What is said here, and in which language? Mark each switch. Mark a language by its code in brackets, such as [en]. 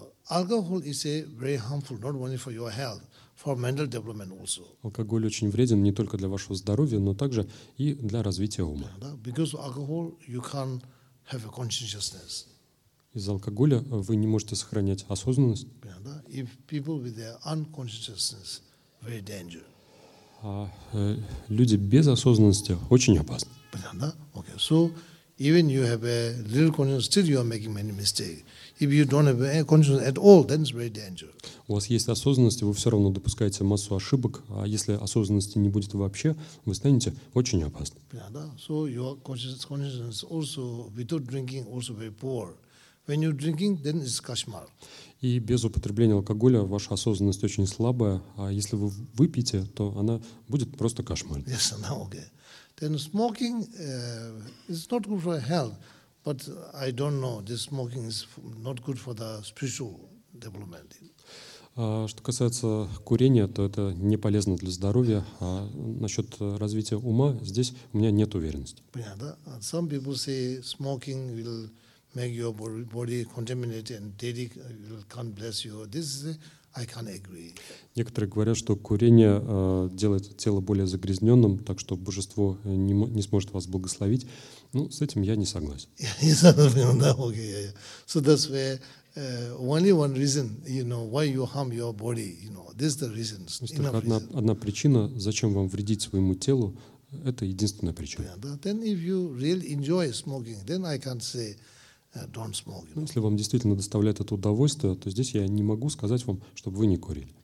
[en] Alcohol is a very harmful, not only for your health, for mental development also. [ru] Алкоголь очень вреден не только для вашего здоровья, но также и для развития ума. [en] Because of alcohol you can't have a consciousness. [ru] Из-за алкоголя вы не можете сохранять осознанность. [en] If people with their unconsciousness, very dangerous. [ru] А люди без осознанности очень опасны. Понятно? [en] Okay. So even you have a little consciousness, still you are making many mistakes. If you don't have any consciousness at all, then it's very dangerous. [ru] У вас есть осознанность, и вы все равно допускаете массу ошибок, а если осознанности не будет вообще, вы станете очень опасны. [en] Yeah, [ru] да. [en] So your consciousness also without drinking also very poor. When you're drinking, then it's [ru] кошмар. И без употребления алкоголя ваша осознанность очень слабая, а если вы выпьете, то она будет просто кошмар. [en] Yes, no, okay. Then smoking is not good for health. But I don't know. This smoking is not good for the spiritual development. [ru] Что касается курения, то это не полезно для здоровья. А насчет развития ума здесь у меня нет уверенности. Понятно. [en] Some people say smoking will make your body contaminated and dirty. Will can't bless you. This is I can agree. [ru] Некоторые говорят, что курение делает тело более загрязненным, так что божество не сможет вас благословить. Ну, с этим я не согласен. [en] So that's where only one reason, you know, why you harm your body, you know, this is the reason. [ru] Одна причина, зачем вам вредить своему телу, это единственная причина. [en] Yeah, but then if you really enjoy smoking, then I can say don't smoke. You know? [ru] Если вам действительно доставляет это удовольствие, то здесь я не могу сказать вам, чтобы вы не курили.